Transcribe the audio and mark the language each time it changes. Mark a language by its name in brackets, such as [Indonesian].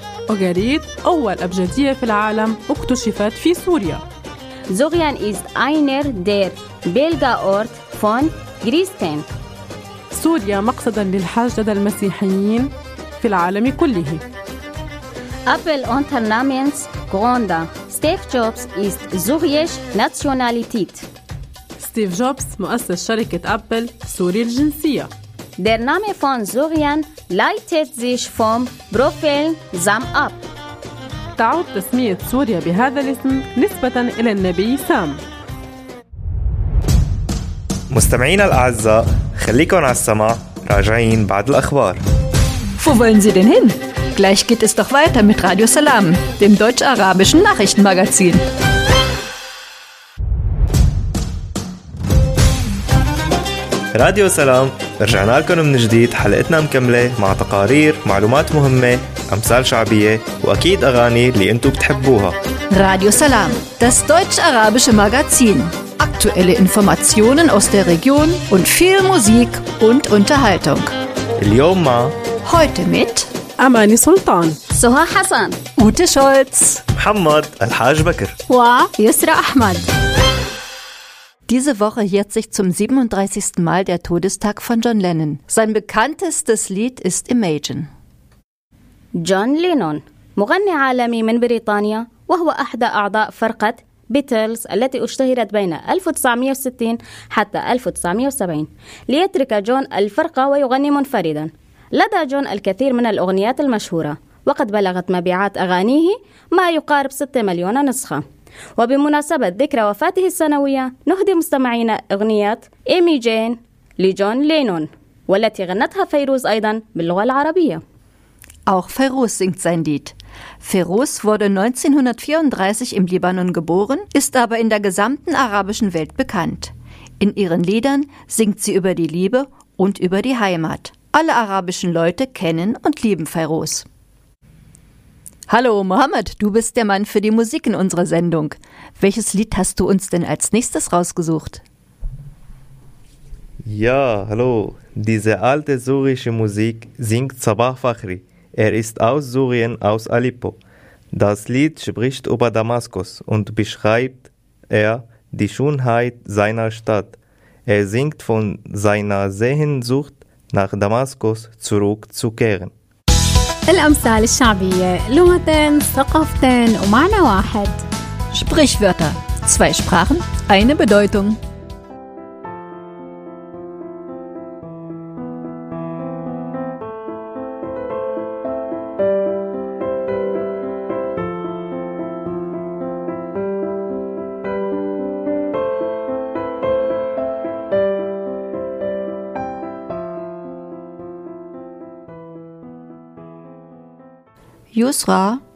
[Arabic] أوغاريت أول أبجدية في العالم اكتشفت في سوريا. [German] سوريان ist einer der Pilgerort von Christen. [Arabic] سوريا مقصدا للحج لدى المسيحيين في العالم كله. [German] أبل Unternehmens Gründer Steve Jobs ist syrische Nationalität. [Arabic] ستيف جوبز مؤسس شركة أبل سوري الجنسية. [German] Der Name von Syrien leitet sich vom Prophet Sam ab. [Arabic] تعود تسمية سوريا بهذا الاسم نسبة إلى النبي سام. مستمعين الأعزاء خليكم على السماع راجعين بعد الأخبار. [German] Wo wollen Sie denn hin? Gleich geht es doch weiter mit Radio Salam, dem deutsch-arabischen Nachrichtenmagazin. [Arabic] راديو سلام رجعنا لكم من جديد حلقتنا مكملة مع تقارير معلومات مهمة أمثال شعبية وأكيد أغاني اللي أنتوا بتحبوها [German] راديو سلام das deutsch-arabische Magazin aktuelle Informationen aus der Region und viel Musik und Unterhaltung [Arabic] اليوم مع [German] heute mit [Arabic] أماني سلطان سهى حسن أوتي شولتز محمد الحاج بكر ويسرى أحمد. [German] Diese Woche jährt sich zum 37. Mal der Todestag von John Lennon. Sein bekanntestes Lied ist Imagine. [Arabic] John Lennon, مغني عالمي من بريطانيا وهو أحد أعضاء فرقة بيتلز التي اشتهرت بين 1960 حتى 1970. ليترك جون الفرقة ويغني منفردا. لدى جون الكثير من الأغنيات المشهورة وقد بلغت مبيعات أغانيه ما يقارب 6 مليون نسخة. وبمناسبة ذكرى وفاته السنوية نهدي مستمعينا أغنية إيمي جين لجون لينون والتي غنتها فيروز أيضا باللغة العربية. [German] Auch Feroz singt sein Lied. Feroz wurde 1934 im Libanon geboren, ist aber in der gesamten arabischen Welt bekannt. In ihren Liedern singt sie über die Liebe und über die Heimat. Alle arabischen Leute kennen und lieben Feroz. Hallo Mohammed, du bist der Mann für die Musik in unserer Sendung. Welches Lied hast du uns denn als nächstes rausgesucht? Ja, hallo. Diese alte syrische Musik singt Sabah Fakhri. Er ist aus Syrien, aus Aleppo. Das Lied spricht über Damaskus und beschreibt er die Schönheit seiner Stadt. Er singt von seiner Sehnsucht nach Damaskus zurückzukehren. [Arabic] الأمثال الشعبية لغتين ثقافتين ومعنى واحد [German] Sprichwörter Zwei Sprachen, eine Bedeutung Yusra?